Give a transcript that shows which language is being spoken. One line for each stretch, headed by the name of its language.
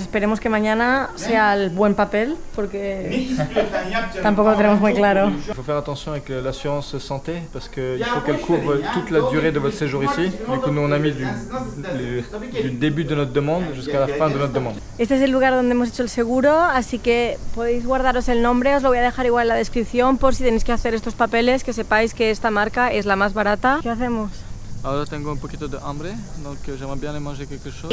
Spanish: Esperemos que mañana sea el buen papel, porque tampoco lo tenemos muy claro.
French: Il faut faire attention avec l'assurance santé, parce qu'il faut qu'elle couvre toute la durée de votre séjour ici. Du coup, nous, on a mis du début de notre demande jusqu'à la fin de notre demande.
Spanish: Este es el lugar donde hemos hecho el seguro, así que podéis guardaros el nombre. Os lo voy a dejar igual en la descripción por si tenéis que hacer estos papeles, que sepáis que esta marca es la más barata. ¿Qué hacemos? Ahora tengo un poquito de hambre,
French: donc j'aimerais bien manger quelque chose.